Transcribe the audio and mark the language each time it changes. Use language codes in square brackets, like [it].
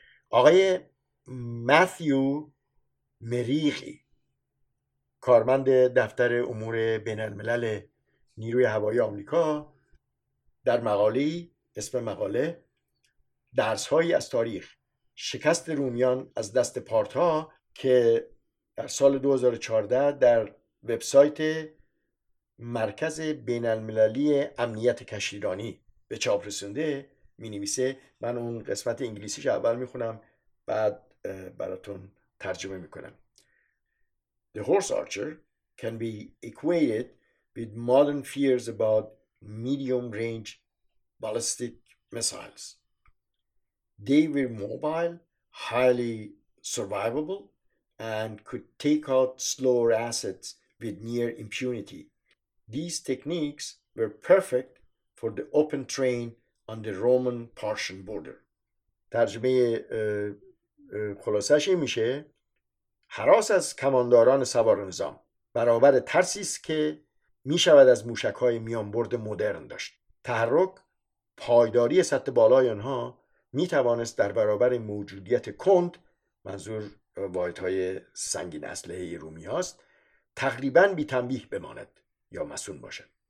[fa] آقای متیو مریخی، کارمند دفتر امور بین الملل نیروی هوایی آمریکا، در مقاله اسم مقاله درس‌هایی از تاریخ شکست رومیان از دست پارت‌ها که در سال 2014 در وبسایت مرکز بین المللی امنیت کشتیرانی به چاپ رسونده می‌نویسه. من اون قسمت انگلیسیش اول می‌خونم بعد براتون ترجمه می‌کنم. [en] The horse archer can be equated with modern fears about medium-range ballistic missiles. They were mobile, highly survivable, and could take out slower assets with near impunity. These techniques were perfect for the open terrain on the Roman-Persian border. [fa] ترجمه خلاصه‌اش این میشه: حراس از کمانداران سوار نظام برابر ترسی است که می شود از موشک‌های میانبرد مدرن داشت. تحرک پایداری سطح بالای آنها می توانست در برابر موجودیت کند، منظور واحدهای سنگین اسلحه رومی هاست، تقریبا بی تنبیه بماند یا مسون باشد.